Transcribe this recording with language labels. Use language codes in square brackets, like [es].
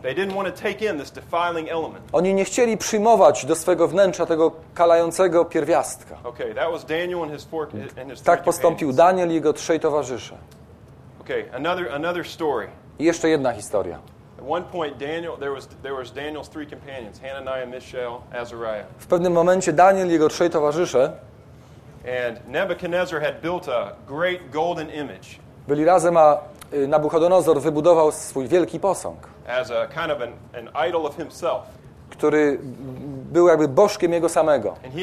[en] They didn't want to take in this defiling element. [pl] Oni nie chcieli przyjmować do swego wnętrza tego kalającego pierwiastka. [en] Okay, that was Daniel and his four and his three companions. [pl] Tak postąpił Daniel i jego trzej towarzysze. [en] Okay, another story. [pl] I jeszcze jedna historia. [en] At one point Daniel there was Daniel's three companions, Hananiah, Mishael, Azariah. [pl] W pewnym momencie Daniel i jego trzej towarzysze [en] and Nebuchadnezzar had built a great golden image. [pl] Byli razem, a Nabuchodonozor wybudował swój wielki posąg, [en] as a kind of an idol of himself, [pl] który był jakby bożkiem jego samego.